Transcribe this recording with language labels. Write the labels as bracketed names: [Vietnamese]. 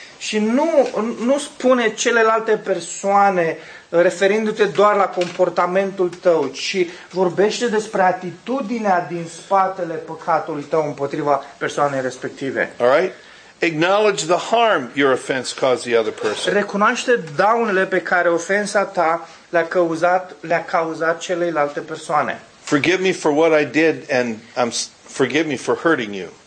[Romanian] Și nu spune celelalte persoane referindu-te doar la comportamentul tău, ci vorbește despre atitudinea din spatele păcatului tău împotriva persoanei respective. [English] All right? Acknowledge the harm your offense caused the other person. [Romanian] Recunoaște daunele pe care ofensa ta le-a cauzat celeilalte persoane. [English] Forgive me for what I did and forgive me for hurting you.